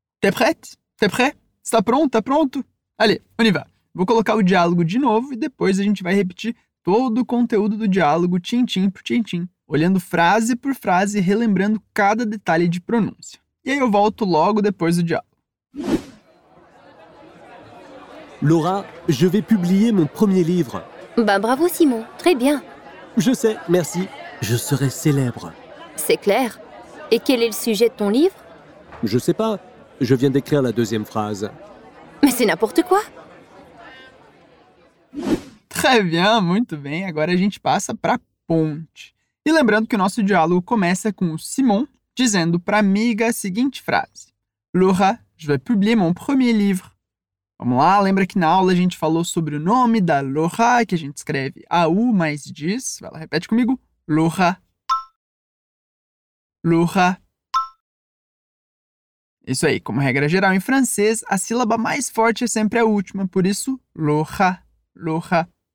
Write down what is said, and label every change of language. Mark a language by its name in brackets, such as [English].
[French] T'es prête? T'es prêt? [Portuguese] Está pronto? Está pronto? [French] Allez, on y va. [Portuguese] Vou colocar o diálogo de novo e depois a gente vai repetir todo o conteúdo do diálogo, tintim por tintim, olhando frase por frase e relembrando cada detalhe de pronúncia. E aí eu volto logo depois do diálogo. [French] Laura, je vais publier mon premier livre. Ben bravo Simon, très bien. Je sais, merci. Je serai célèbre. C'est clair. Et quel est le sujet de ton livre? Je sais pas. Je viens d'écrire la deuxième phrase. Mais c'est n'importe quoi. Très bien, [Portuguese] muito bem. Agora a gente passa para a ponte. E lembrando que o nosso diálogo começa com o Simon dizendo para a amiga a seguinte frase. [French] Laura, je vais publier mon premier livre. [Portuguese] Vamos lá, lembra que na aula a gente falou sobre o nome da Laura, que a gente escreve A-U mais diz. Vai lá, repete comigo. Laura. Laura. Isso aí, como regra geral em francês, a sílaba mais forte é sempre a última, por isso, Laura. Laura.